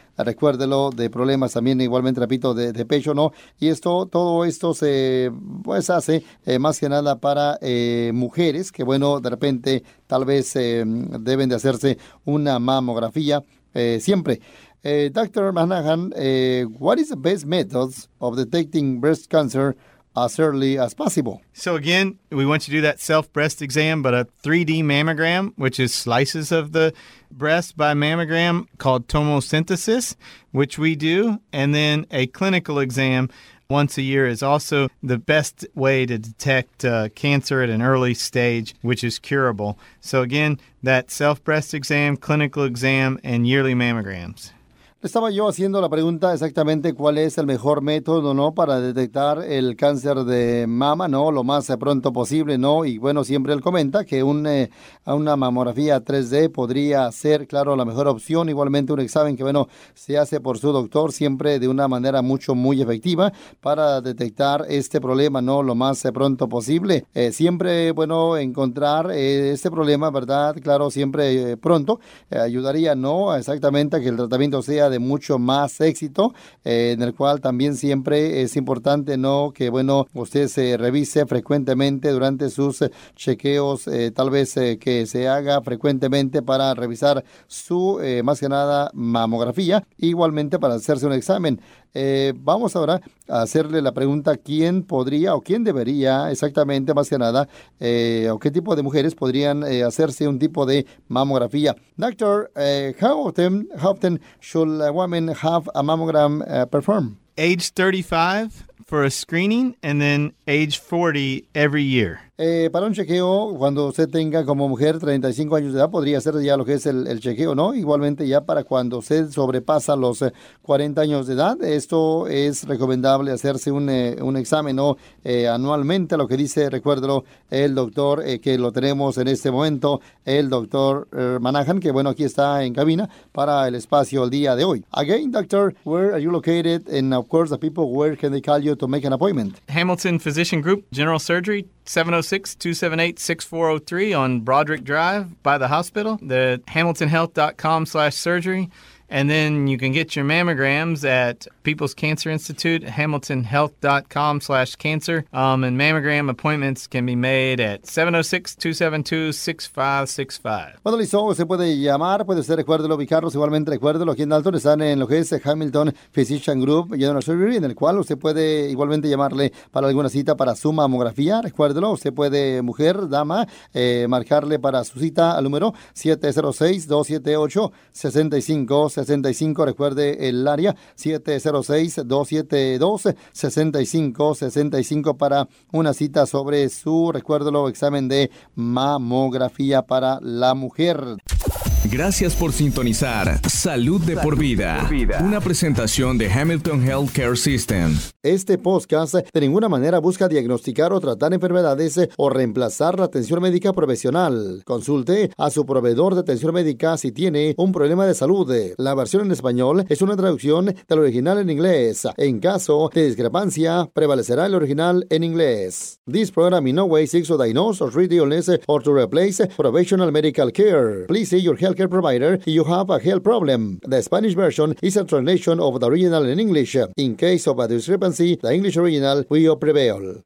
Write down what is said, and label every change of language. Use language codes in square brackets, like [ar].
[es] Recuérdelo de problemas también, igualmente repito, de pecho, ¿no? Y esto, todo esto se pues hace más que nada para mujeres que, bueno, de repente tal vez deben de hacerse una mamografía siempre. [en] Dr. Manahan, what is the best methods of detecting breast cancer as early as possible? So again, we want you to do that self-breast exam, but a 3D mammogram, which is slices of the breast by mammogram called tomosynthesis, which we do, and then a clinical exam once a year is also the best way to detect cancer at an early stage, which is curable. So again, that self-breast exam, clinical exam, and yearly mammograms. [es] Estaba yo haciendo la pregunta exactamente cuál es el mejor método, ¿no? Para detectar el cáncer de mama, ¿no? Lo más pronto posible, ¿no? Y bueno, siempre él comenta que una mamografía 3D podría ser, claro, la mejor opción. Igualmente un examen que, bueno, se hace por su doctor siempre de una manera mucho, muy efectiva para detectar este problema, ¿no? Lo más pronto posible. Siempre, bueno, encontrar este problema, ¿verdad? Claro, siempre pronto ayudaría, ¿no? Exactamente a que el tratamiento sea de mucho más éxito, en el cual también siempre es importante, ¿no? Que bueno, usted se revise frecuentemente durante sus chequeos, tal vez que se haga frecuentemente para revisar su más que nada mamografía, igualmente para hacerse un examen. Vamos ahora a hacerle la pregunta, ¿quién podría o quién debería exactamente, más que nada, o qué tipo de mujeres podrían hacerse un tipo de mamografía? [en] Doctor, how often should a woman have a mammogram performed? Age 35 for a screening and then age 40 every year. [es] Para un chequeo, cuando usted tenga como mujer 35 años de edad, podría hacer ya lo que es el chequeo, ¿no? Igualmente ya para cuando usted sobrepasa los 40 años de edad, esto es recomendable hacerse un examen, ¿no? Anualmente, lo que dice, recuérdelo, el doctor que lo tenemos en este momento, el doctor Manahan, que bueno, aquí está en cabina para el espacio el día de hoy. [en] Again, doctor, where are you located? And of course, the people, where can they call you to make an appointment? Hamilton Physician Group, General Surgery, 706-278-6403 on Broderick Drive by the hospital, the hamiltonhealth.com/surgery. And then you can get your mammograms at People's Cancer Institute, hamiltonhealth.com/cancer. And mammogram appointments can be made at 706-272-6565. [es] Bueno, listo, se puede llamar, puede usted recuérdelo, ubicarlos, igualmente recuérdelo, aquí en Dalton, están en lo que es Hamilton Physician Group, General Surgery, en el cual usted puede igualmente llamarle para alguna cita para su mamografía, recuérdelo, usted puede, mujer, dama, marcarle para su cita al número 706-278-6565, recuerde el área 706-272-6565 para una cita sobre su, recuérdelo, examen de mamografía para la mujer. Gracias por sintonizar Salud de por vida. Una presentación de Hamilton Healthcare System. Este podcast de ninguna manera busca diagnosticar o tratar enfermedades o reemplazar la atención médica profesional. Consulte a su proveedor de atención médica si tiene un problema de salud. La versión en español es una traducción del original en inglés. En caso de discrepancia, prevalecerá el original en inglés. [en] This program in no way seeks to diagnose or treat illness or to replace professional medical care. Please see your healthcare provider if you have a health problem. The Spanish version is a translation of the original in English. In case of a discrepancy, the English original will prevail.